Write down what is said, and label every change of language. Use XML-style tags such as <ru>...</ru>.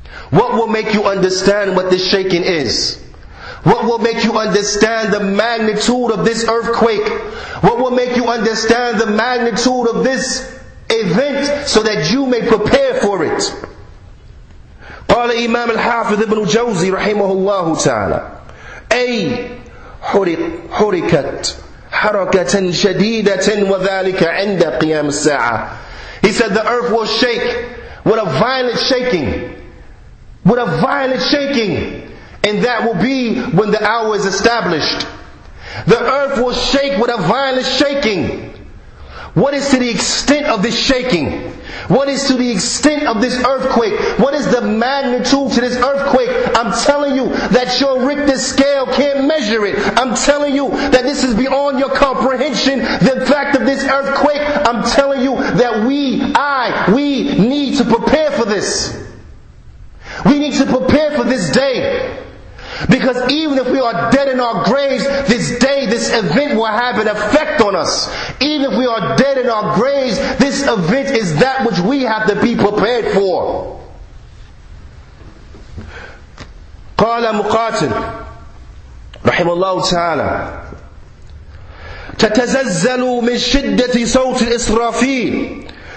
<en>What will make you understand what this shaking is? What will make you understand the magnitude of this earthquake? What will make you understand the magnitude of this event so that you may prepare for it?</en> <ar>قال إمام الحافظ ابن جوزي رحمه الله تعالى أي حركت حركة شديدة وذلك عند قيام الساعة.</ar> <en>He said the earth will shake with a violent shaking. With a violent shaking. And that will be when the hour is established. The earth will shake with a violent shaking. What is to the extent of this shaking? What is to the extent of this earthquake? What is the magnitude to this earthquake? I'm telling you that your Richter scale can't measure it. I'm telling you that this is beyond your comprehension. The fact of this earthquake, I'm telling you that we need to prepare for this. We need to prepare for this day. Because even if we are dead in our graves, this day, this event will have an effect on us. Even if we are dead in our graves, this event is that which we have to be prepared for.</en> <ar>قال مقاتل رحمه الله تعالى تتزلزل من شدة صوت الإسرافيل</ar>